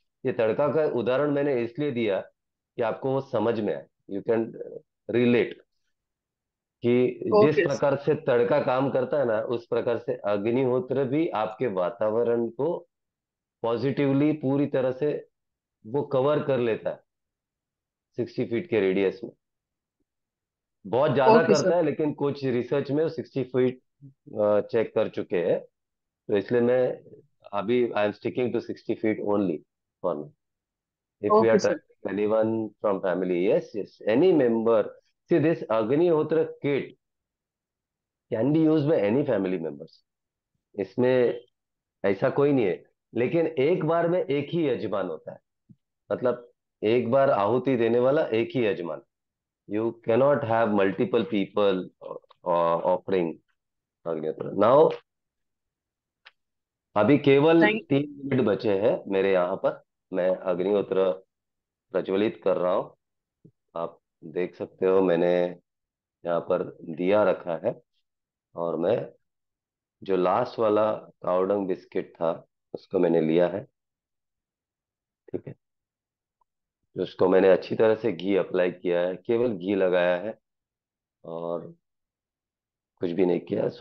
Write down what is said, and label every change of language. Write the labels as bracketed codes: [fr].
[hi] ये तड़का का उदाहरण मैंने इसलिए दिया कि आपको वो समझ में आए, [en] you can relate, [hi] कि जिस प्रकार से तड़का काम करता है ना, उस प्रकार से अग्निहोत्र भी आपके वातावरण को पॉजिटिवली पूरी तरह से वो कवर कर लेता है 60 फीट के रेडियस में. बहुत ज्यादा करता है, लेकिन कुछ रिसर्च में 60 फीट चेक कर चुके हैं, तो इसलिए मैं अभी [en] I am sticking to 60 feet only. For if you are touch anyone from family, yes yes, any member, see this Agnihotra kit can be used by any family members, [hi] isme aisa koi nahi hai, lekin ek bar mein ek hi yajman [en] hota hai, matlab ek bar ahuti dene wala ek hi yajman, you cannot have multiple people offering Agnihotra. [hi] Now abhi keval 3 minute bache hai mere yahan par, main Agnihotra prajwalit kar raha hu, aap देख सकते हो मैंने यहाँ पर दिया रखा है, और मैं जो लास्ट वाला काउडंग बिस्किट था उसको मैंने लिया है, ठीक है, उसको मैंने अच्छी तरह से घी अप्लाई किया है, केवल घी लगाया है और कुछ भी नहीं किया.